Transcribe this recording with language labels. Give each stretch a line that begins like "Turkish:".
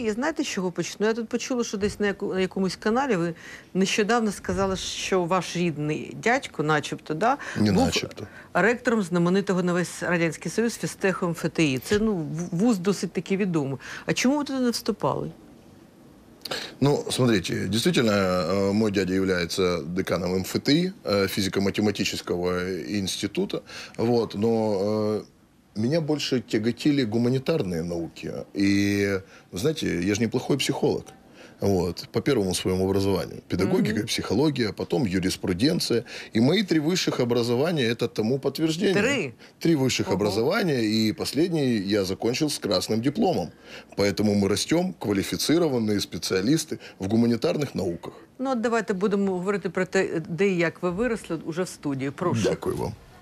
Ukrainian: І знаєте, з чого почну? Я тут почула, що десь на якомусь каналі ви нещодавно сказали, що ваш рідний дядько, начебто, да, був начебто ректором знаменитого на весь Радянський Союз фістехом ФТІ. Це, ну, вуз досить таки відомий. А чому ви туди не вступали?
Russian: Ну, смотрите, действительно, мой дядя является деканом МФТИ, физико-математического института, вот, но меня больше тяготили гуманитарные науки, и, знаете, я же неплохой психолог. Вот, по первому своему образованию. Педагогика, mm-hmm. психология, потом юриспруденция. И мои три высших образования – это тому подтверждение. Три? Три высших uh-huh. образования, и последний я закончил с красным дипломом. Поэтому мы растем, квалифицированные специалисты в гуманитарных науках.
Ukrainian: Ну, от давайте будемо говорити про те, де і як ви виросли уже в студії. Прошу. Дякую вам.